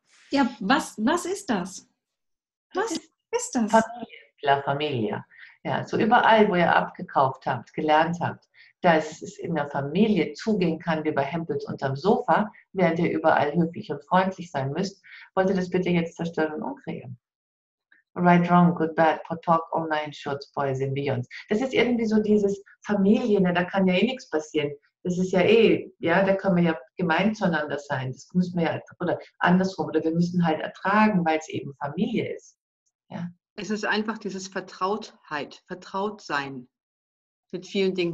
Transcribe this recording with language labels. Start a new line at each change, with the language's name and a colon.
German: Ja, was ist das? Was ist das? Familie. La Familia. Ja, so überall, wo ihr abgekauft habt, gelernt habt, dass es in der Familie zugehen kann, wie bei Hempels unterm Sofa, während ihr überall höflich und freundlich sein müsst, wollt ihr das bitte jetzt zerstören und umkriegen.
English: Right, wrong, good, bad, pot, talk, online, shorts, boys and beyonds.
German: Das ist irgendwie so dieses Familie, ne, da kann ja eh nichts passieren. Das ist ja eh, ja, da können wir ja gemein zueinander sein. Das müssen wir ja, oder andersrum, oder wir müssen halt ertragen, weil es eben Familie ist. Ja. Es ist einfach dieses Vertrautheit, Vertrautsein mit vielen Dingen.